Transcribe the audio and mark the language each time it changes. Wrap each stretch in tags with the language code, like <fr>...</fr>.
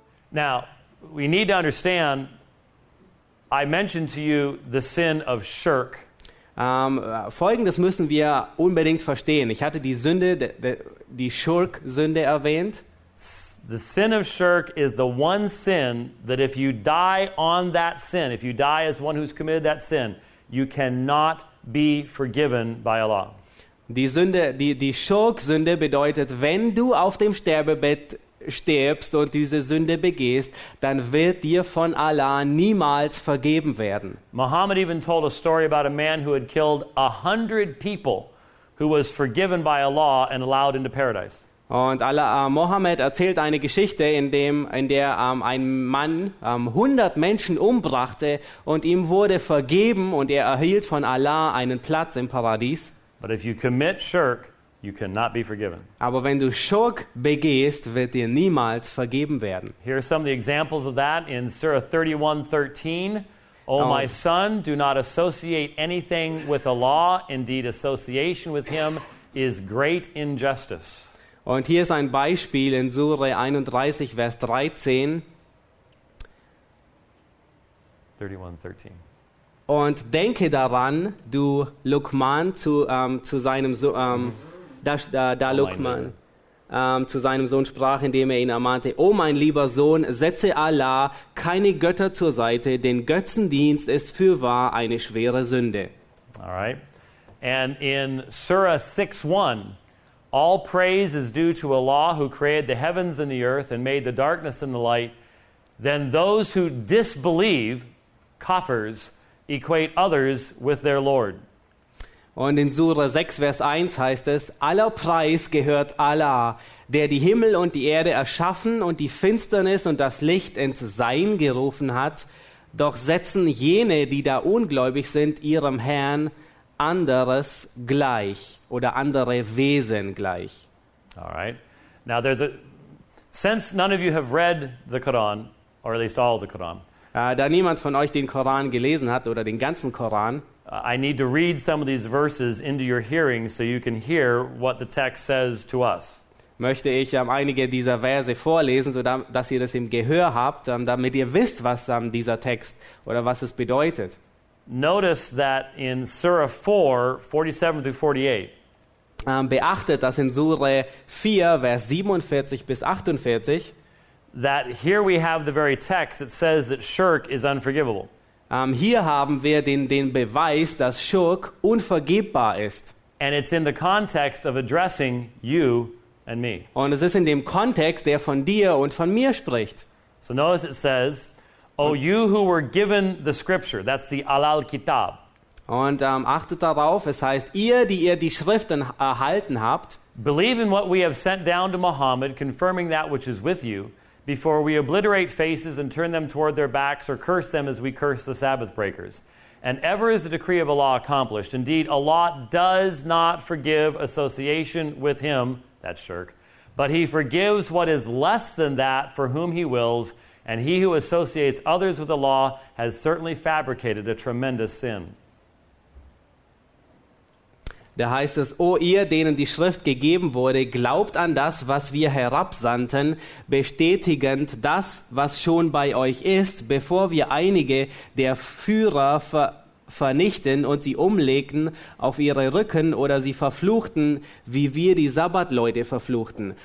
<en>Now, we need to understand, I mentioned to you the sin of shirk.</en> <de>Folgendes müssen wir unbedingt verstehen. Ich hatte die Sünde, die Schurk-Sünde erwähnt.</de> <en>The sin of shirk is the one sin that if you die on that sin, if you die as one who's committed that sin, you cannot be forgiven by Allah.</en> <de>Die Sünde, die Schurk-Sünde bedeutet, wenn du auf dem Sterbebett stirbst und diese Sünde begehst, dann wird dir von Allah niemals vergeben werden.</de> <en>Muhammad even told a story about a man who had killed 100 people who was forgiven by Allah and allowed into paradise.</en> <de>Und Muhammad erzählt eine Geschichte, in der ein Mann 100 Menschen umbrachte und ihm wurde vergeben und er erhielt von Allah einen Platz im Paradies.</de> <en>But if you commit shirk, you cannot be forgiven.</en> <de>Aber wenn du Schurk begehst, wird dir niemals vergeben werden.</de> <en>Here are some of the examples of that in Surah 31:13. Oh, my son, do not associate anything with Allah. Indeed, association with him is great injustice.</en> <de>Und hier ist ein Beispiel in Surah 31, Vers 13. Und denke daran, du Luqman, zu seinem Sohn sprach, indem er ihn ermahnte: O mein lieber Sohn, setze Allah keine Götter zur Seite, denn Götzendienst ist fürwahr eine schwere Sünde.</de> <en>All right. And in Surah 6:1, all praise is due to Allah who created the heavens and the earth and made the darkness and the light. Then those who disbelieve, kafirs, equate others with their Lord.</en> <de>Und in Surah 6, Vers 1 heißt es: Aller Preis gehört Allah, der die Himmel und die Erde erschaffen und die Finsternis und das Licht ins Sein gerufen hat. Doch setzen jene, die da ungläubig sind, ihrem Herrn anderes gleich oder andere Wesen gleich.</de> <en>All right. Now there's a, since none of you have read the Quran, or at least all the Quran.</en> <de>Da niemand von euch den Koran gelesen hat oder den ganzen Koran.</de> <en>I need to read some of these verses into your hearing so you can hear what the text says to us.</en> <de>Möchte ich einige dieser Verse vorlesen, so dass ihr das im Gehör habt, damit ihr wisst, was dieser Text oder was es bedeutet.</de> <en>Notice that in Surah 4, 47 through 48.</en> <de>Beachtet, dass in Surah 4, Vers 47 bis 48,</de> <en>that here we have the very text that says that shirk is unforgivable.</en> <de>Hier haben wir den Beweis, dass Schurk unvergebbar ist.</de> <en>And it's in the context of addressing you and me.</en> <de>Und es ist in dem Kontext, der von dir und von mir spricht.</de> <en>So notice it says, O you who were given the scripture, that's the alal kitab.</en> <de>Und achtet darauf, es heißt, ihr, die ihr die Schriften erhalten habt,</de> <en>believe in what we have sent down to Muhammad, confirming that which is with you, before we obliterate faces and turn them toward their backs or curse them as we curse the Sabbath breakers. And ever is the decree of Allah accomplished. Indeed, Allah does not forgive association with him, that's shirk, but he forgives what is less than that for whom he wills, and he who associates others with Allah has certainly fabricated a tremendous sin.</en> <de>Da heißt es, O ihr, denen die Schrift gegeben wurde, glaubt an das, was wir herabsandten, bestätigend das, was schon bei euch ist, bevor wir einige der Führer vernichten und sie umlegten auf ihre Rücken oder sie verfluchten, wie wir die Sabbatleute verfluchten.</de>